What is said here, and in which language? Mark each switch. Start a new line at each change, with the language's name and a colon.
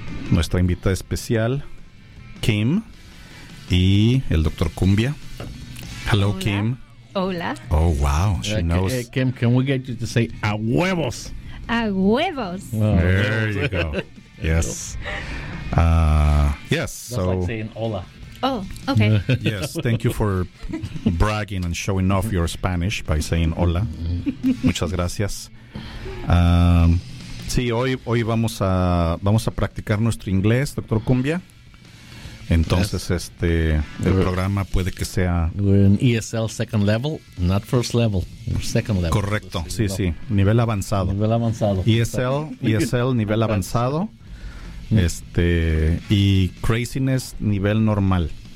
Spanish: Nuestra invitada especial, Kim, y el doctor Cumbia.
English: Hello, hola. Kim.
Spanish: Hola.
English: Oh, wow. She knows. Hey, Kim, can we get you to say a huevos? A huevos. Oh, there you go. Yes. Yes. That's so, like saying hola. Oh, okay. Yes. Thank you for bragging and showing off your Spanish by saying hola.
Spanish: Muchas gracias. Sí, hoy vamos a practicar nuestro inglés, doctor Cumbia. Entonces, yes. Programa puede que sea...
English: We're in ESL second level, not first level, second level.
Spanish: Correcto, sí, level. Sí, nivel avanzado. Nivel avanzado. ESL nivel avanzado, y craziness, nivel normal.